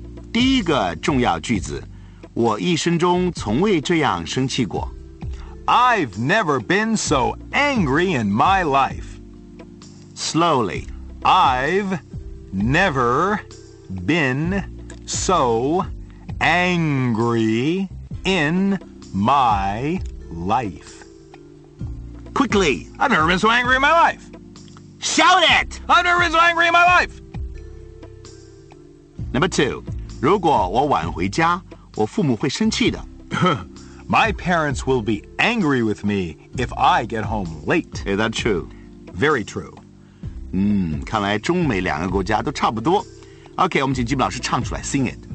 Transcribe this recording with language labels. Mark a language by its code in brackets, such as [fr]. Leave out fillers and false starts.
[zh] 第一个重要句子，我一生中从未这样生气过。 [en] I've never been so angry in my life. Slowly. I've never been so angry in my life. Quickly. I've never been so angry in my life. Shout it! I've never been so angry in my life. Number two. [zh] 如果我晚回家，我父母会生气的。 [en] My parents will be angry with me if I get home late. Is that true? Very true. [zh] 看来中美两个国家都差不多。 OK, 我们请 Jim 老师唱出来 , [en] sing it.